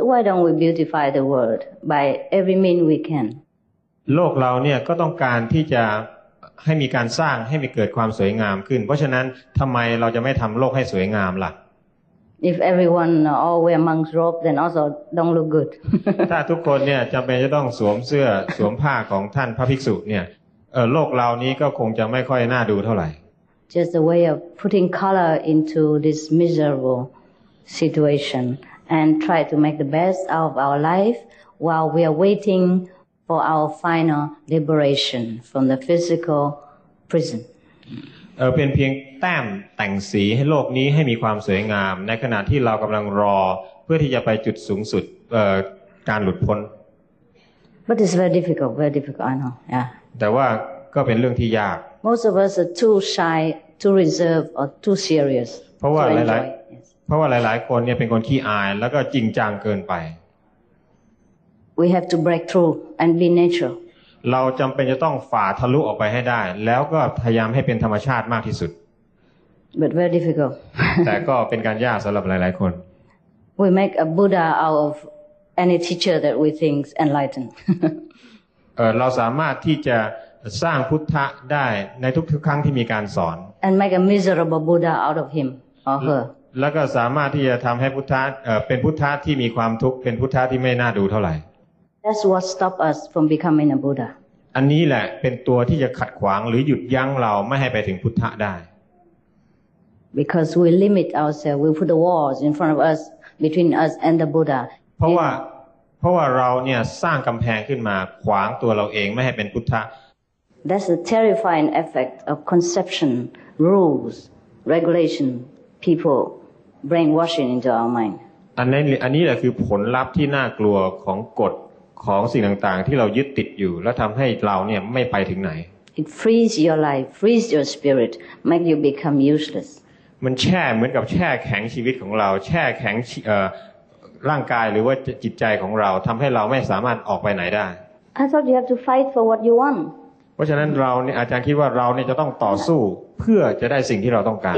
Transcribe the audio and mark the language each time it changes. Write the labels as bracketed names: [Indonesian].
[English] Why don't we beautify the world by every means we can? [Thai] โลกเราเนี่ยก็ต้องการที่จะให้มีการสร้างให้มีเกิดความสวยงามขึ้นเพราะฉะนั้นทำไมเราจะไม่ทำโลกให้สวยงามล่ะ [English] If everyone all wear monk's robe, then also don't look good. [Thai] ถ้าทุกคนเนี่ยจำเป็นจะต้องสวมเสื้อสวมผ้าของท่านพระภิกษุเนี่ยโลกเรานี้ก็คงจะไม่ค่อยน่าดูเท่าไหร่ [English] Just a way of putting color into this miserable situation and try to make the best out of our life while we are waiting for our final liberation from the physical prison [Thai] เป็นเพียงแต้มแต่งสีให้โลกนี้ให้มีความสวยงามในขณะที่เรากำลังรอเพื่อที่จะไปจุดสูงสุดการหลุดพ้น [English] But it's very difficult I know yeah [Thai] แต่ว่าก็เป็นเรื่องที่ยาก [English] Most of us are too shy, too reserved, or too serious. [Thai] เพราะว่าหลาย เพราะว่าหลายๆคนเนี่ยเป็นคนขี้อายแล้วก็จริงจังเกินไป [English] We have to break through and be natural [Thai] เราจำเป็นจะต้องฝ่าทะลุออกไปให้ได้แล้วก็พยายามให้เป็นธรรมชาติมากที่สุด [English] But very difficult [Thai] แต่ก็เป็นการยากสำหรับหลายๆคน [English] We make a Buddha out of any teacher that we think enlightened [Thai] เราสามารถที่จะสร้างพุทธะได้ในทุกๆครั้งที่มีการสอน [English] And make a miserable Buddha out of him or her [Thai] แล้วก็สามารถที่จะทำให้พุทธะเป็นพุทธะที่มีความทุกข์เป็นพุทธะที่ไม่น่าดูเท่าไหร่ [English] That's what stop us from becoming a Buddha [Thai] อันนี้แหละเป็นตัวที่จะขัดขวางหรือหยุดยั้งเราไม่ให้ไปถึงพุทธะได้ [English] Because we limit ourselves we put the walls in front of us between us and the Buddha [Thai] เพราะว่าเราเนี่ยสร้างกำแพงขึ้นมาขวางตัวเราเองไม่ให้เป็นพุทธะ [English] That's the terrifying effect of conception rules regulation peoplebrainwashing into our mind [Thai] อันนี้แหละคือผลลัพธ์ที่น่ากลัวของกฎของสิ่งต่างๆที่เรายึดติดอยู่แล้วทำให้เราเนี่ยไม่ไปถึงไหน [English] It freeze your life freeze your spirit make you become useless [Thai] มันแช่เหมือนกับแช่แข็งชีวิตของเราแช่แข็งร่างกายหรือว่าจิตใจของเราทำให้เราไม่สามารถออกไปไหนได้ [English] I thought you have to fight for what you want [Thai] เพราะฉะนั้นเราเนี่ยอาจารย์คิดว่าเราเนี่ยจะต้องต่อสู้เพื่อจะได้สิ่งที่เราต้องการ